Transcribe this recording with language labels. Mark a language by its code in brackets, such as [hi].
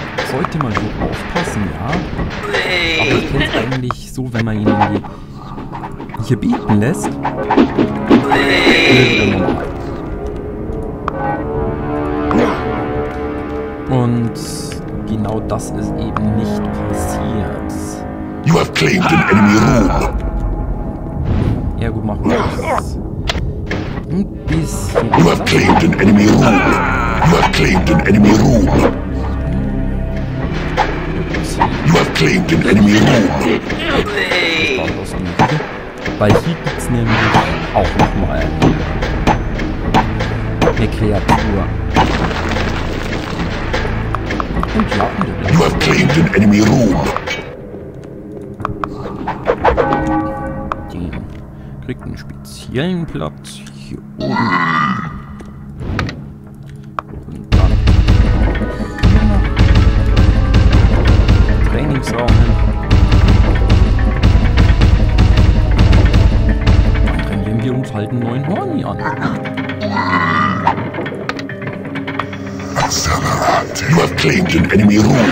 [de] Sollte man so aufpassen, ja? Aber ich kenn's eigentlich so, wenn man ihn irgendwie hier bieten lässt. Und genau das ist eben nicht passiert. [en] You have claimed an enemy room. [de] Ja, gut, mach mal. [en] You have claimed an enemy room. You have claimed an enemy room. You have claimed an enemy room. [de] Weil hier gibt's nämlich auch nochmal eine Kreatur. Und ja, [en] you have claimed an enemy room. [de] Kriegt einen speziellen Platz hier oben. Und dann hier noch Trainingsraum hin. Dann trainieren wir uns halt einen neuen Horny an. [en] Accelerate, you have claimed an enemy room.